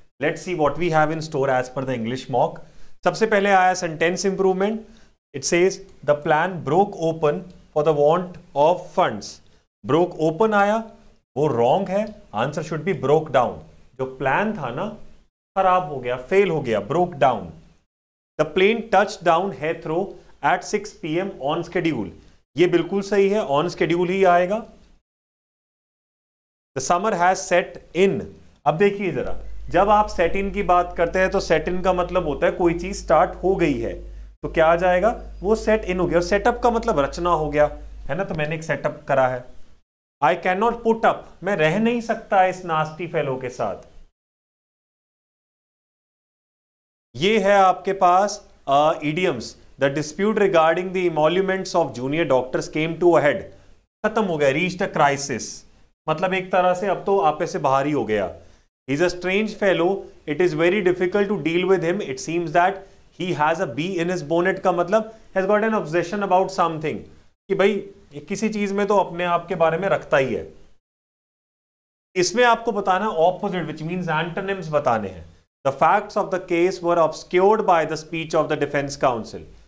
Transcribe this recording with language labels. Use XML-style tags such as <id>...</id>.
<en>Let's see what we have in store as per the English mock.</en> <hi>सबसे पहले आया sentence improvement.</hi> <en>It says the plan broke open for the want of funds.</en> <hi>Broke open आया वो wrong है.</hi> <en>Answer should be broke down.</en> <hi>जो plan था ना खराब हो गया, फेल हो गया, broke down.</hi> <en>The plane touched down Heathrow at 6 p.m. on schedule.</en> <hi>ये बिल्कुल सही है, on schedule ही आएगा.</hi> <en>The summer has set in.</en> <hi>अब देखिए जरा, जब आप set in की बात करते हैं तो set in का मतलब होता है कोई चीज start हो गई है. तो क्या आ जाएगा, वो set in हो गया. और setup का मतलब रचना हो गया है ना, तो मैंने एक setup करा है.</hi> <en>I cannot put up.</en> <hi>मैं रह नहीं सकता इस nasty fellow के साथ. ये है आपके पास idioms.</hi> <en>The dispute regarding the emoluments of junior doctors came to a head.</en> <hi>खत्म हो गया,</hi> <en>reached a crisis.</en> <hi>मतलब एक तरह से अब तो आपे से बाहर ही हो गया.</hi> <en>He is a strange fellow. It is very difficult to deal with him. It seems that he has a bee in his bonnet.</en> <hi>का मतलब</hi> <en>has got an obsession about something.</en> <hi>कि भाई किसी चीज में तो अपने आप के बारे में रखता ही है. इसमें आपको बताना ऑपोजिट विच मीन्स एंटोनिम्स बताने हैं.</hi> <en>The facts of the case were obscured by the speech of the defence counsel.</en>